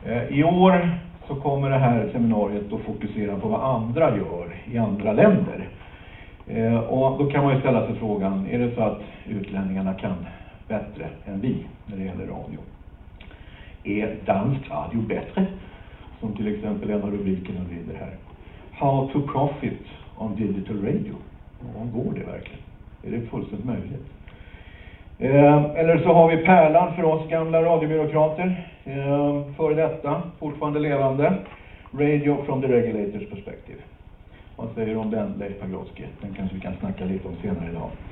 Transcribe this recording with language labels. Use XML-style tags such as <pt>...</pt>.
<sv>I år så kommer det här seminariet att fokusera på vad andra gör i andra länder. Och då kan man ju ställa sig frågan, är det så att utlänningarna kan bättre än vi när det gäller radio? Är dansk radio bättre? Som till exempel en av rubrikerna lyder här.</sv> <en>How to profit on digital radio?</en> <sv>Om går det verkligen? Är det fullständigt möjligt? Eller så har vi pärlan för oss gamla radiobyråkrater, före detta, fortfarande levande,</sv> <en>Radio from the Regulators Perspective.</en> <sv>Vad säger du om den, Leif Pagrotsky? Den kanske vi kan snacka lite om senare idag.</sv>